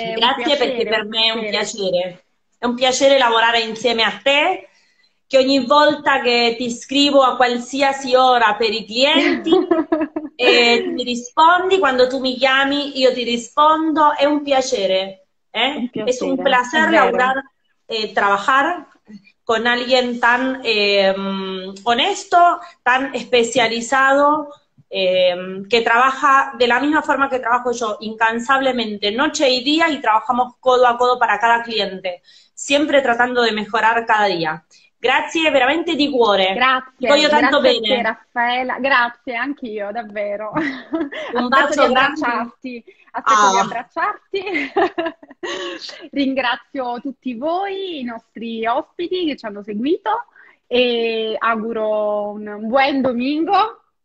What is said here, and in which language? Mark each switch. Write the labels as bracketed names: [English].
[Italian] Grazie perché per me è un piacere. È un piacere lavorare insieme a te, che ogni volta che ti scrivo a qualsiasi ora per i clienti, e mi rispondi, quando tu mi chiami io ti rispondo, è un piacere, eh? [Spanish] Es un placer lavorar, trabajar con alguien tan honesto, tan especializado, que trabaja de la misma forma que trabajo yo, incansablemente, noche y día, y trabajamos codo a codo para cada cliente, siempre tratando de mejorar cada día. [Italian] Grazie veramente di cuore. Grazie. Ti voglio tanto grazie bene. Grazie Raffaella. Grazie anch'io, davvero. Un bacio grande. Aspetto di abbracciarti. Ringrazio tutti voi, i nostri ospiti che ci hanno seguito e auguro un buon domingo.